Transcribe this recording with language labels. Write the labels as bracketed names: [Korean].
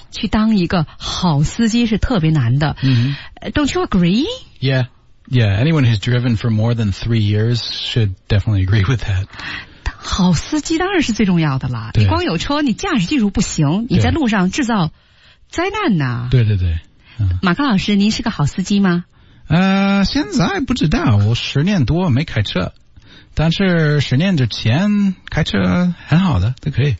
[Chinese] 去当一个好司机是特别难的。 Mm-hmm. [English] Don't you agree? Yeah, yeah. Anyone who's driven for more than 3 years should definitely agree with that. [Chinese] 好司机当然是最重要的了。你光有车，你驾驶技术不行，你在路上制造灾难呢。对对对。马克老师，您是个好司机吗？现在不知道，我10年多没开车。但是10年之前开车很好的都可以